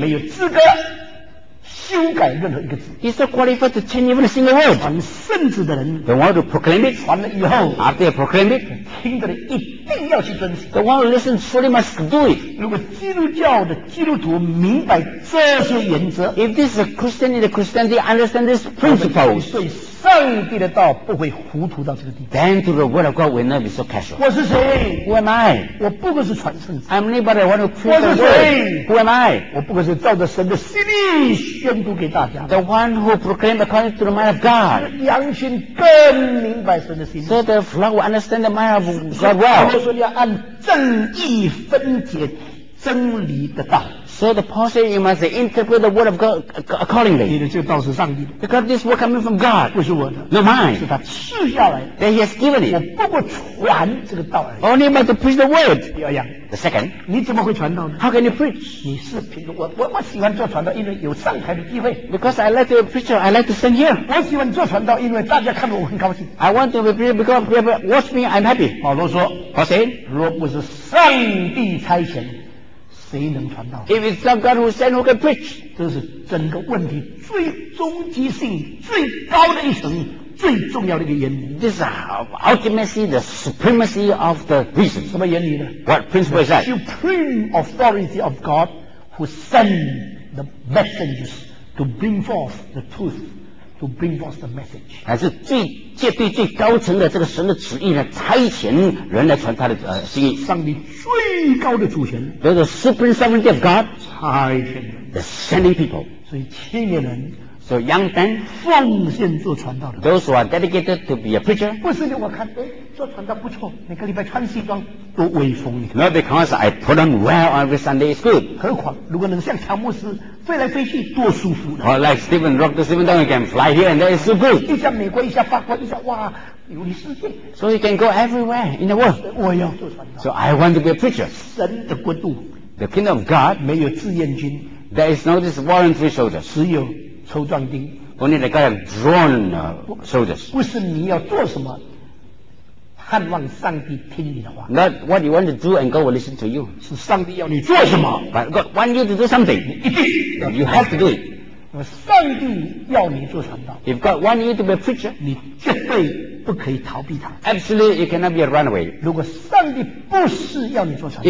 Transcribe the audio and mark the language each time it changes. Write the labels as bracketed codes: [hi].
[zh] 没有资格修改任何一个字。 [en] He's not qualified to change even a single word. [zh] 传圣旨的人。 [en] The one who proclaimed it. [zh] 传了以后。 [en] After he proclaimed it. [zh] 听的人一定要去遵守。 [en] The one who listens surely must do it. [zh] 如果基督教的基督徒明白这些原则。 [en] If this is a Christian in the Christianity, understand this principles. [zh] 对上帝的道不会糊涂到这个地步。 [en] Then to the word of God will not be so casual. [zh] 我是谁 [en] ？Who am I? [zh] 我不过是传圣旨。 [en] I'm nobody. One who preaches the word. [zh] 我是谁 [en] ？Who am I? [zh] 我不过是照着神的心意宣布给大家。 [en] The one who proclaimed according to the mind of God. [zh] 羊群更明白神的心意。 [en] So the flock will understand the mind of God well. [zh] 我说你要按正义分解真理的道。 [en] So the Paul said you must interpret the word of God accordingly. [zh] 你的这个道是上帝的。 [en] Because this word coming from God. [zh] 不是我的。 [en] Not mine. [zh] 是他赐下来的。 [en] That he has given it. [zh] 我不过传这个道而已。 [en] Only about to preach the word. [zh] 第二样。 [en] The second. [zh] 你怎么会传道呢 [en] ？How can you preach? [zh] 你是凭我喜欢做传道，因为有上台的机会。 [en] Because I like to preach, I like to stand here. [zh] 我喜欢做传道，因为大家看到我很高兴。 [en] I want to be preach because people watch me, I'm happy. [zh] 保罗说。 [en] Paul said. [zh] 若不是上帝差遣。谁能传道 [en] If it's not God who sent, who can preach? [zh] 这是整个问题最终极性最高的一层最重要的一个原理 [en] This is ultimately the supremacy of the reason [zh] 什么原理呢 [en] What principle is that? The supreme authority of God who sent the messengers to bring forth the truth to bring forth the message [zh] 还是最高层的这个神的旨意呢差遣人来传他的心意上帝最高的主权 [en] the supreme sovereignty of God [zh] 差遣人 [en] the sending people [zh] 所以青年人 [en] so young men [zh] 奉献做传道的 [en] those who are dedicated to be a preacher [zh] 不是你我看做传道不错每个礼拜穿西装多威风。 [en] Not because I put on well every Sunday is good. [zh] 何况如果能像乔牧师飞来飞去，多舒服的。 [en] Or like Stephen Rock, the Stephen Dunn, can fly here and there is so good. [zh] 一下美国，一下法国，一下哇，游历世界。 [en] So he can go everywhere in the world. [zh] 我要做传道。 [en] So I want to be a preacher. [zh] 神的国度。 [en] The kingdom of God. [zh] 没有志愿军。 [en] There is no this voluntary soldier. [zh] 只有抽壮丁。 [en] Only the kind of drawn soldiers. [zh] 不是你要做什么，盼望上帝听你的话。 [en] Not what you want to do and God will listen to you. [zh] 是上帝要你做什么。 [en] But God want you to do something. [zh] 你一定。 [en] You have to do it. [zh] 上帝要你做传道。 [en] If God want you to be a preacher, [zh] 你绝对不可以逃避他。 [en] Absolutely, you cannot be a runaway. [zh] 如果上帝不是要你做传道。